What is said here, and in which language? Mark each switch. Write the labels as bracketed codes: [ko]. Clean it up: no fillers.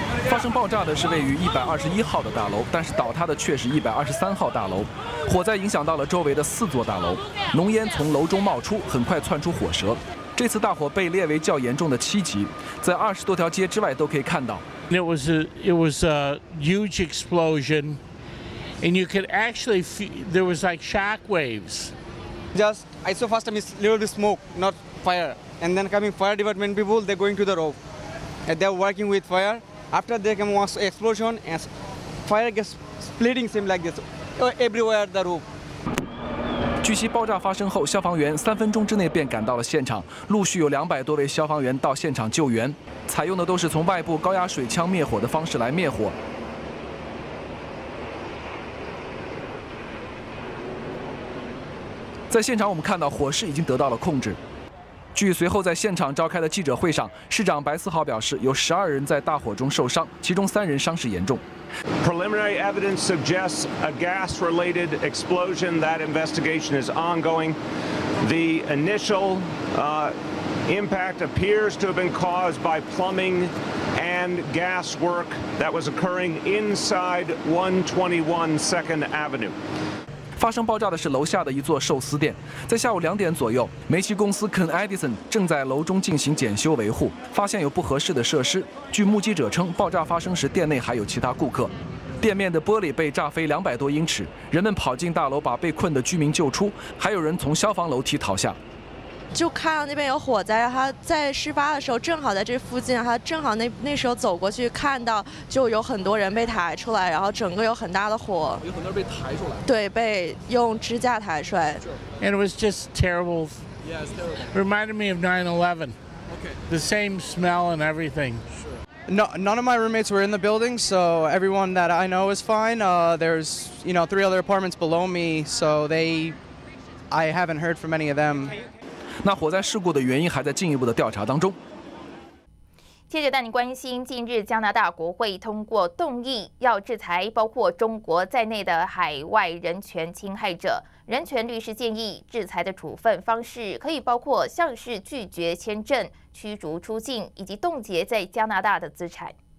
[zh] 发生爆炸的是位于121号的大楼，但是倒塌的却是123号大楼。火灾影响到了周围的4座大楼，浓烟从楼中冒出，很快窜出火舌。这次大火被列为较严重的7级，在20多条街之外都可以看到。 [en] It was a huge explosion. And you could actually feel there was like shock waves. Just I saw first time is little smoke, not fire. And then coming fire department people, they're going to the roof. And they're working with fire. After they come was explosion and fire gets splitting same like this everywhere the roof. [zh] 据悉，爆炸发生后，消防员3分钟之内便赶到了现场，陆续有200多位消防员到现场救援，采用的都是从外部高压水枪灭火的方式来灭火。在现场我们看到火势已经得到了控制。据随后在现场召开的记者会上，市长白思豪表示，有12人在大火中受伤，其中3人伤势严重。 [en] Preliminary evidence suggests a gas-related explosion. That investigation is ongoing. The initial impact appears to have been caused by plumbing and gas work that was occurring inside 121 Second Avenue. [zh] 发生爆炸的是楼下的一座寿司店，在下午2点左右，煤气公司 Ken Edison 正在楼中进行检修维护，发现有不合适的设施。据目击者称，爆炸发生时店内还有其他顾客，店面的玻璃被炸飞200多英尺，人们跑进大楼把被困的居民救出，还有人从消防楼梯逃下。就看到那边有火灾，他在事发的时候正好在这附近，他正好那时候走过去，看到就有很多人被抬出来，然后整个有很大的火，有很多人被抬出来，对，被用支架抬出来。 [en] And it was just terrible. Yeah, it's terrible. Reminded me of 9/11. Okay. The same smell and everything. No, none of my roommates were in the building, so everyone that I know is fine. There's, you know, 3 other apartments below me, so I haven't heard from any of them. [zh] 那火灾事故的原因还在进一步的调查当中。接着带你关心，近日加拿大国会通过动议，要制裁包括中国在内的海外人权侵害者。人权律师建议，制裁的处分方式可以包括像是拒绝签证、驱逐出境以及冻结在加拿大的资产。